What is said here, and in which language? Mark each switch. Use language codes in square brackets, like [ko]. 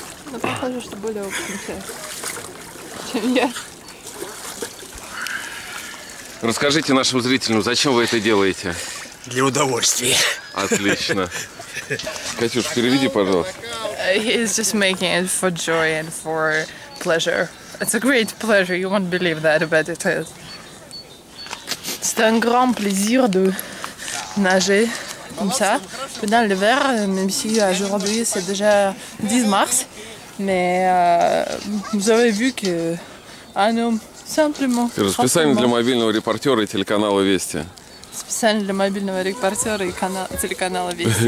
[ru] Ну, похоже, что более опытный, чем я. Расскажите нашим зрителям, зачем вы это делаете? Для удовольствия. Отлично. Катюш, переведи, пожалуйста. [en] He's just making it for joy and for pleasure. It's a great pleasure. You won't believe that, but it is. [fr] C'est un grand plaisir de nager comme ça dans le Var, même si aujourd'hui c'est déjà 10 mars. Mais vous avez vu que un homme [ru] Специально для мобильного репортера и телеканала Вести. Специально для мобильного репортера и телеканала Вести.